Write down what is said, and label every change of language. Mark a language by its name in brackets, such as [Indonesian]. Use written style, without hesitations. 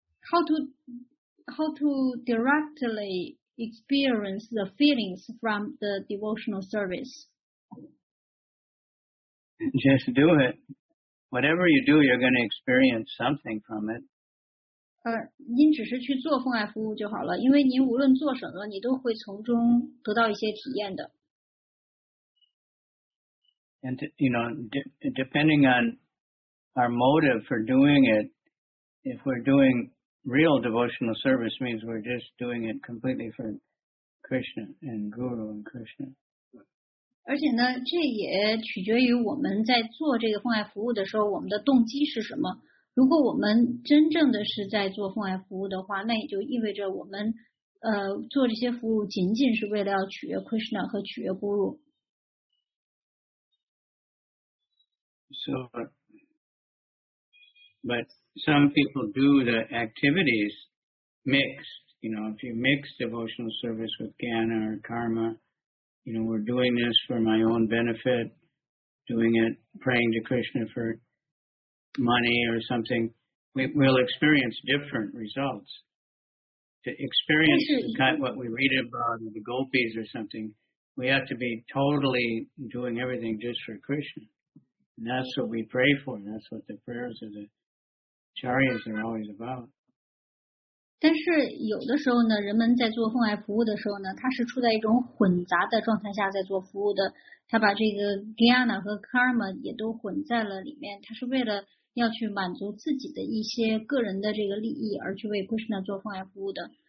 [English] How to directly experience the feelings from the devotional service. Just do it. Whatever you do, you're going to experience something from it. [Chinese] 您只是去做奉爱服务就好了，因为您无论做什么，你都会从中得到一些体验的。 [English] And, you know, depending on our motive for doing it, if we're doing real devotional service, means we're just doing it completely for Krishna and Guru and Krishna. [Chinese] 而且呢，这也取决于我们在做这个奉爱服务的时候，我们的动机是什么。如果我们真正的是在做奉爱服务的话，那也就意味着我们做这些服务仅仅是为了要取悦 Krishna 和取悦 Guru。 [English] So, but some people do the activities mixed. You know, if you mix devotional service with jnana or karma, you know, we're doing this for my own benefit, doing it, praying to Krishna for money or something, we'll experience different results. To experience kind of what we read about in the gopis or something, we have to be totally doing everything just for Krishna. And that's what we pray for. That's what the prayers of the acharyas are always about. [Chinese] 但是有的时候呢，人们在做奉爱服务的时候呢，他是处在一种混杂的状态下在做服务的。他把这个 jnana 和 karma 也都混在了里面。他是为了要去满足自己的一些个人的这个利益而去为 Krishna 做奉爱服务的。